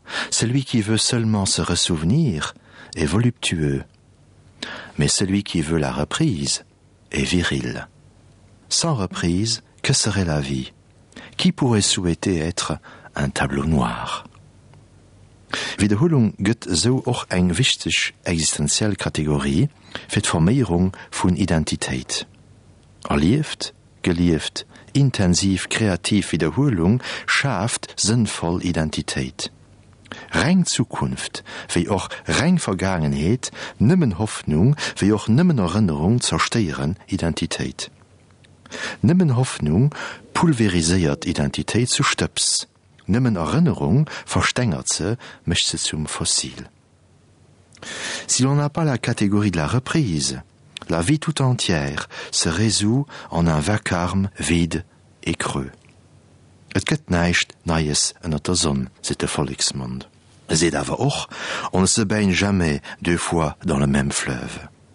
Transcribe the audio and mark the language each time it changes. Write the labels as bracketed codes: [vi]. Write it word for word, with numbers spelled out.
[fr] Celui qui veut seulement se ressouvenir est voluptueux. Mais celui qui veut la reprise est viril. Sans reprise, que serait la vie? Qui pourrait souhaiter être un tableau noir? [lb] Wiederholung gëtt so och eng wichtig existenziell Kategorie fir d'Forméierung vun Identitéit. Erlieft, gelieft, intensiv kreativ Wiederholung schaaft sinnvoll Identitéit. Reng Zukunft, wéi och reng Vergangenheet, nëmmen Hoffnung, wéi och nëmmen Erinnerung zersteieren Identitéit. Nëmmen Hoffnung pulveriséiert Identitéit zu Stöps. Nimmen Erinnerung verstängert se, mischt se zum Fossil. [fr] Si l'on n'a pas la catégorie de la reprise, la vie tout entière se résout en un vacarme vide et creux. [lb] Et gëtt neicht Neues ënner der Sonn, se de Volksmund. Seht aber och, [fr] on ne se baigne jamais deux fois dans le même fleuve.